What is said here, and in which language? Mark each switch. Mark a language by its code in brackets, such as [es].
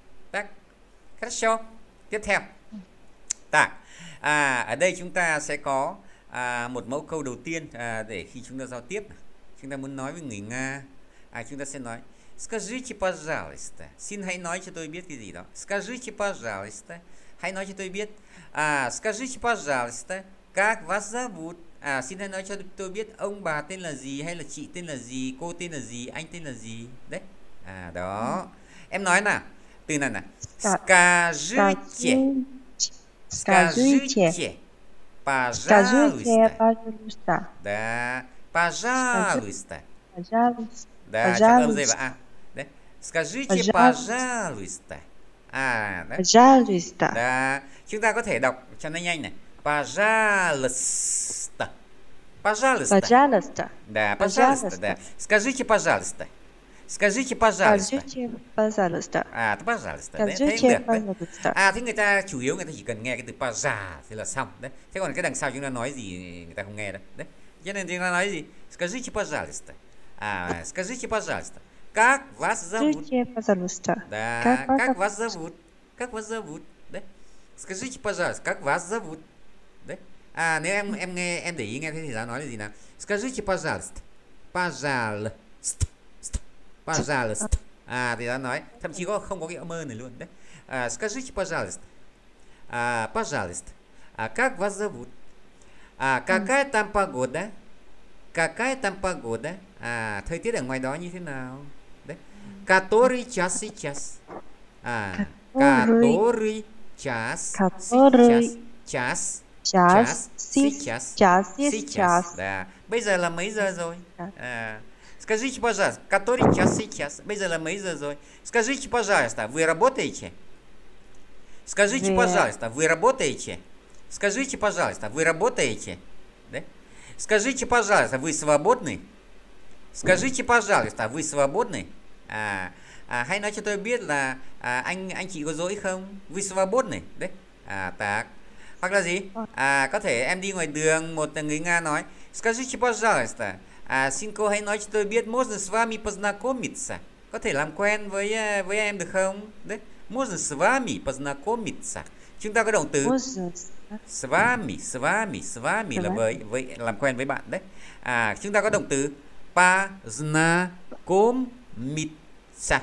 [vi] Tắt. Khách show. Tiếp theo. Tạ. Ở đây chúng ta sẽ có một mẫu câu đầu tiên, để khi chúng ta giao tiếp, chúng ta muốn nói với người Nga, chúng ta sẽ nói [ru] Скажите, пожалуйста. [vi] Xin hãy nói cho tôi biết cái gì đó. [ru] Скажите, пожалуйста. [vi] Hãy nói cho tôi biết. [ru] Скажите, пожалуйста, как вас зовут? [vi] Xin hãy nói cho tôi biết ông bà tên là gì, hay là chị tên là gì, cô tên là gì, anh tên là gì. Đấy. Đó. Em nói nào. Từ này nào. [ru] Скажите. Скажите. Пожалуйста. Да. Пожалуйста. Да, сейчас он заявит. Скажите, пожалуйста. Да. Пожалуйста. Да. [vi] Chúng ta có thể đọc cho nó nhanh này. [ru] Пожалуйста. Пожалуйста. Пожалуйста. Да, пожалуйста, да. Скажите, пожалуйста. Скажите, пожалуйста. Скажите, пожалуйста. Пожалуйста. Скажите, Да. пожалуйста. [vi] Thì người ta chủ yếu người ta chỉ cần nghe cái từ пожа thì là xong đấy. Thế còn cái đằng sau chúng ta nói gì người ta không nghe đâu. Đấy. Cho nên chúng ta nói gì? [ru] Скажите, пожалуйста. Скажите, пожалуйста. Как вас зовут? Скажите, пожалуйста. Да, как вас зовут? Как вас зовут? Да? Скажите, пожалуйста, как вас зовут? Да? [vi] Nếu em nghe, em để ý nghe thấy thì giáo nói là gì nào? [ru] Скажите, пожалуйста. Пожалуйста. Пожалуйста. [vi] Thì giáo nói, thậm chí có không có cái âm này luôn đấy. [ru] Скажите, пожалуйста. Пожалуйста. Как вас зовут? Какая там погода? Какая там погода? [vi] Thời tiết ở ngoài đó như thế nào? Đấy. [ru] Который час? Который час? Который Час. час Час. час Сейчас. час Да. [vi] Bây giờ là мấy giờ рồi? [ru] Скажите, пожалуйста, который час сейчас? [vi] Bây giờ là мấy giờ rồi? [ru] Скажите, пожалуйста, вы работаете? Скажите, пожалуйста, вы работаете? Скажите, пожалуйста, вы работаете? Скажите, пожалуйста, вы свободны? Скажите, пожалуйста, вы свободны? [vi] Hãy nói cho tôi biết là anh chị có dỗi không? [ru] Вы свободны? [vi] Đấy. [ru] Так. [vi] Hoặc là gì? Có thể em đi ngoài đường, một người Nga nói: [ru] Скажите, пожалуйста, [vi] xin cô hãy nói cho tôi biết, [ru] можно с вами познакомиться? [vi] Có thể làm quen với em được không? Đấy. [ru] Можно с вами познакомиться? [vi] Chúng ta có động từ [ru] с вами [vi] là với làm quen với bạn đấy. Chúng ta có động từ познакомиться.